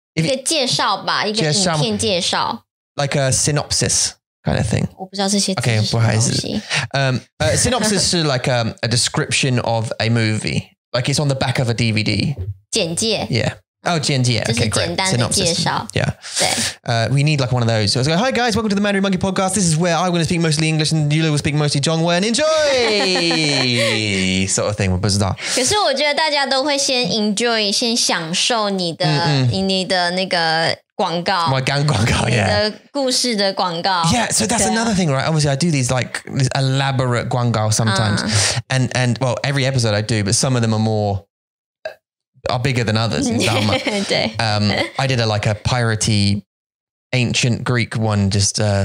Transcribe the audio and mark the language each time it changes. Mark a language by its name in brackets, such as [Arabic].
[Chinese] 一个介绍吧一个影片介绍。 [English] Like a synopsis. Kind of thing. [Chinese] Okay, 不好意思。 [English] Synopsis is like a description of a movie. Like it's on the back of a DVD. [Chinese] 简介。 [English] Yeah. Oh, 简介.Okay, great. Synopsis. Yeah. We need like one of those. So it's like, hi guys, welcome to the Mandarin Monkey Podcast. This is where I'm going to speak mostly English and Yulu will speak mostly Zhongwen. Enjoy! sort of thing, [Chinese] 我不知道。可是我觉得大家都会先 enjoy, 先享受你的那个广告。我刚广告, yeah. 你的故事的广告。 [English] Yeah, so that's another thing, right? Obviously, I do these like these elaborate 广告 sometimes. And well, every episode I do, but some of them are more... are bigger than others in Dharma. I did a like a piratey ancient Greek one just